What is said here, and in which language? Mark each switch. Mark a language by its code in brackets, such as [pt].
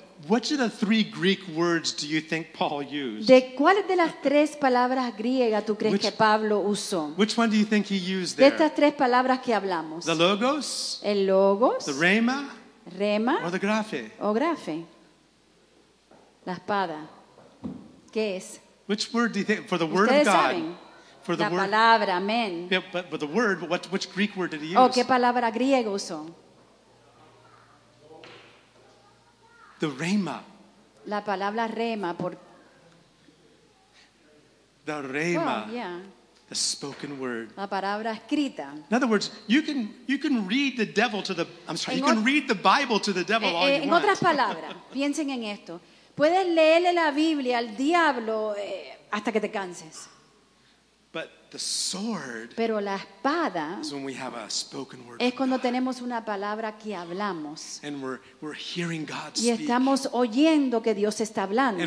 [en] Which of the three Greek words do you think Paul used? [es] ¿De cuáles de las tres palabras griegas tú crees que Pablo usó? [en] Which one do you think he used there? [es] De estas tres palabras que hablamos. [en] The logos? [es] El logos. [en] The rhema? [es] Rhema. [en] Or the graphe? [es] O graphe. La espada. ¿Qué es? [en] Which word do you think for the word of God? [es] Saben. [en] For the word. [es] La palabra, amén. [en] Yeah, but the word, but what, which Greek word did he use? [es] Oh, ¿qué palabra griega usó? [en] The rhema. [es] La palabra rhema por [en] the rhema. Well, yeah. The spoken word. [es] La palabra escrita. [en] In other words, you can read the devil to the I'm sorry, you can read the Bible to the devil all you want. [es] En otras palabras, piensen en esto. Puedes leerle la Biblia al diablo hasta que te canses. [en] But the sword. [es] Pero la espada [en] is when we have a spoken word. [es] Es cuando tenemos una palabra que hablamos. [en] And we're hearing God speak. [es] Y estamos oyendo que Dios está hablando.